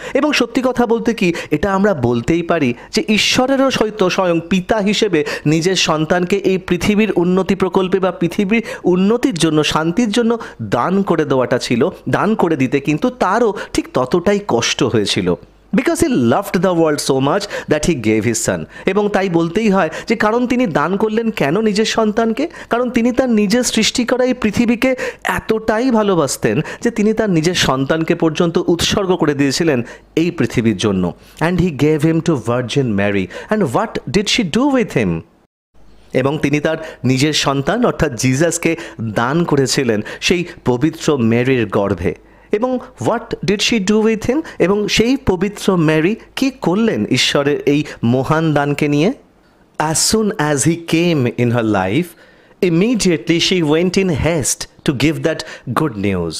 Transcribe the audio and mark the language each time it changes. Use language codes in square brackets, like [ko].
[bn] এবং সত্যি কথা বলতে কি, এটা আমরা বলতেই পারি যে ঈশ্বরেরও হয়তো স্বয়ং পিতা হিসেবে নিজের সন্তানকে এই পৃথিবীর উন্নতি প্রকল্পে বা পৃথিবীর উন্নতির জন্য, শান্তির জন্য দান করে দেওয়াটা ছিল, দান করে দিতে কিন্তু তারও ঠিক ততটাই কষ্ট হয়েছিল। [en] Because he loved the world so much that he gave his son. [bn] এবং তাই বলতেই হয় যে কারণ তিনি দান করলেন কেন নিজের সন্তানকে, কারণ তিনি তার নিজের সৃষ্টি করা এই পৃথিবীকে এতটাই ভালোবাসতেন যে তিনি তার নিজের সন্তানকে পর্যন্ত উৎসর্গ করে দিয়েছিলেন এই পৃথিবীর জন্য. [en] And he gave him to Virgin Mary. And what did she do with him? [bn] এবং তিনি তার নিজের সন্তান অর্থাৎ জিজাসকে দান করেছিলেন সেই পবিত্র মেরির গর্ভে. এবং [en] what did she do with him, [bn] এবং সেই পবিত্র ম্যারি কি করলেন ঈশ্বরের এই মহান দানকে নিয়ে? [en] As soon as he came in her life, immediately she went in haste to give that good news.